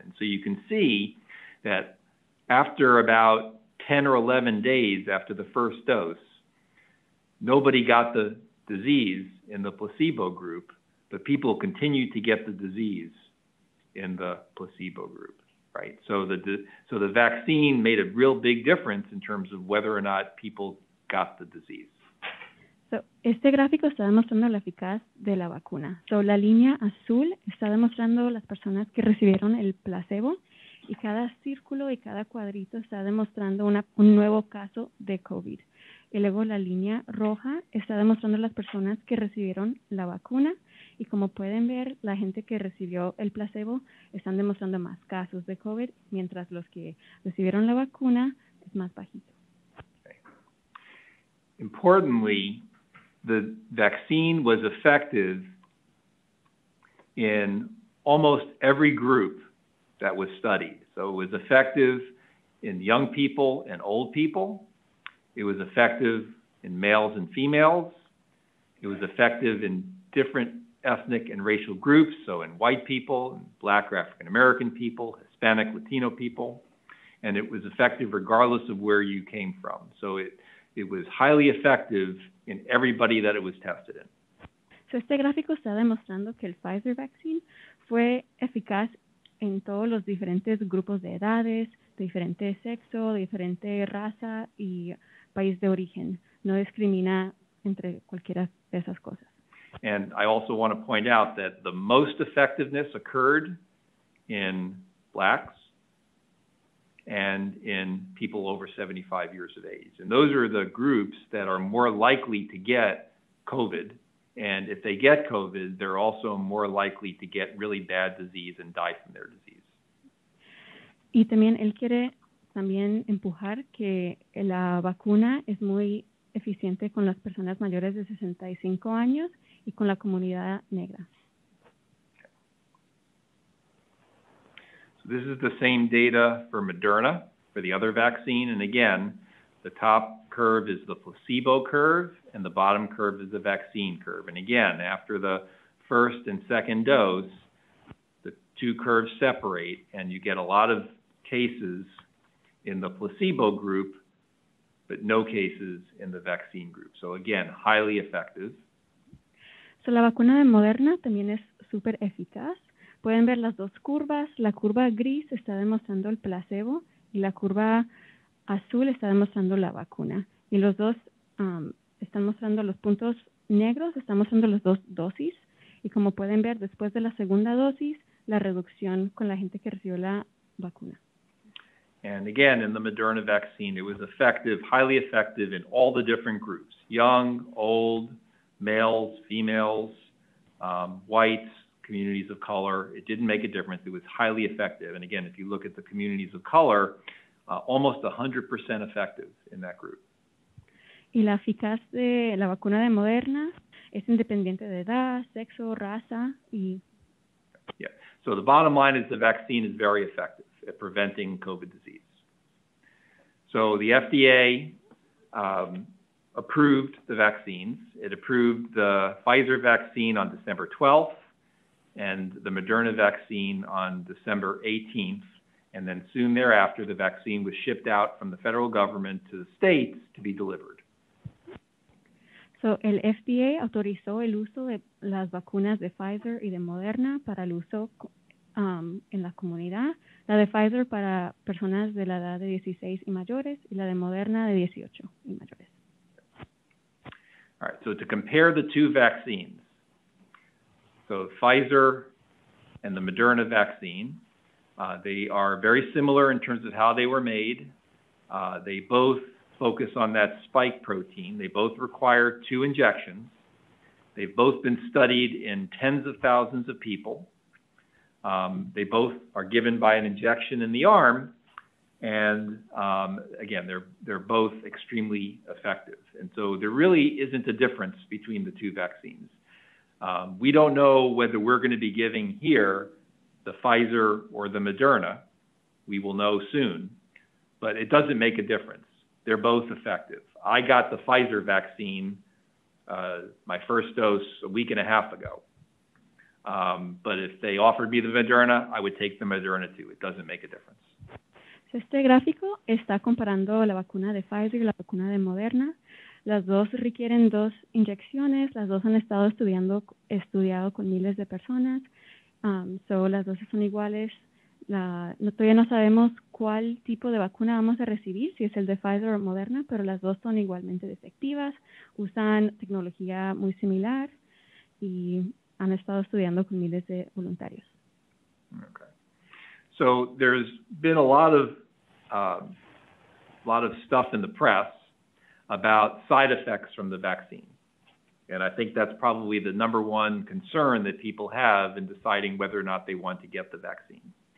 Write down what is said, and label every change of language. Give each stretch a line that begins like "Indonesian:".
English: And so you can see that after about 10 or 11 days after the first dose, nobody got the disease in the placebo group, but people continued to get the disease in the placebo group, right? So the vaccine made a real big difference in terms of whether or not people got the disease.
Spanish: So, este gráfico está demostrando la eficaz de la vacuna. So, la línea azul está demostrando las personas que recibieron el placebo y cada círculo y cada cuadrito está demostrando un nuevo caso de COVID. Y luego la línea roja está demostrando las personas que recibieron la vacuna y como pueden ver, la gente que recibió el placebo están demostrando más casos de COVID mientras los que recibieron la vacuna es más bajito.
English: Okay. Importantly, the vaccine was effective in almost every group that was studied. So it was effective in young people and old people. It was effective in males and females. It was effective in different ethnic and racial groups. So in white people, black or African American people, Hispanic, Latino people. And it was effective regardless of where you came from. So it was highly effective in everybody that it was tested in.
Spanish: So este gráfico está demostrando que el Pfizer vaccine fue eficaz en todos los diferentes grupos de edades, de diferente sexo, de diferente raza y país de origen. No discrimina entre cualquiera de esas cosas.
English: And I also want to point out that the most effectiveness occurred in blacks and in people over 75 years of age. And those are the groups that are more likely to get COVID. And if they get COVID, they're also more likely to get really bad disease and die from their disease.
Spanish: Y también él quiere también empujar que la vacuna es muy eficiente con las personas mayores de 65 años y con la comunidad negra.
English: So this is the same data for Moderna, for the other vaccine. And again, the top curve. curve is the placebo curve, and the bottom curve is the vaccine curve. And again, after the first and second dose, the two curves separate, and you get a lot of cases in the placebo group, but no cases in the vaccine group. So again, highly effective.
Spanish: So la vacuna de Moderna también es super eficaz. Pueden ver las dos curvas. La curva gris está demostrando el placebo, y la curva azul está demostrando la vacuna. Y los dos están mostrando los puntos negros, están mostrando las dos dosis. Y como pueden ver, después de la segunda dosis, la reducción con la gente que recibió la vacuna.
English: And again, in the Moderna vaccine, it was effective, highly effective in all the different groups, young, old, males, females, whites, communities of color. It didn't make a difference. It was highly effective. And again, if you look at the communities of color, almost 100% effective in that group.
Spanish: Y la eficaz de la vacuna de Moderna es independiente de edad, sexo, raza, y...
English: Yeah. So the bottom line is the vaccine is very effective at preventing COVID disease. So the FDA approved the vaccines. It approved the Pfizer vaccine on December 12th and the Moderna vaccine on December 18th. And then soon thereafter, the vaccine was shipped out from the federal government to the states to be delivered.
Spanish: So, el FDA autorizó el uso de las vacunas de Pfizer y de Moderna para el uso en la comunidad. La de Pfizer para personas de la edad de 16 y mayores, y la de Moderna de 18 y mayores.
English: All right, so to compare the two vaccines, so Pfizer and the Moderna vaccine, they are very similar in terms of how they were made. They both focus on that spike protein. They both require two injections. They've both been studied in tens of thousands of people. They both are given by an injection in the arm. And again, they're both extremely effective. And so there really isn't a difference between the two vaccines. We don't know whether we're going to be giving here the Pfizer or the Moderna. We will know soon, but it doesn't make a difference. They're both effective. I got the Pfizer vaccine, my first dose a week and a half ago. But if they offered me the Moderna, I would take the Moderna too. It doesn't make a difference.
Spanish: Este gráfico está comparando la vacuna de Pfizer y la vacuna de Moderna. Las dos requieren dos inyecciones. Las dos han estado estudiado con miles de personas. So las dos son iguales. Todavía no sabemos cuál tipo de vacuna vamos a recibir, si es el de Pfizer o Moderna, pero las dos son igualmente efectivas. Usan tecnología muy similar y han estado estudiando con miles de voluntarios.
English: Okay. So there's been a lot of stuff in the press about side effects from the vaccine. And I think that's probably the number one concern that people have in deciding whether or not they want to get the vaccine.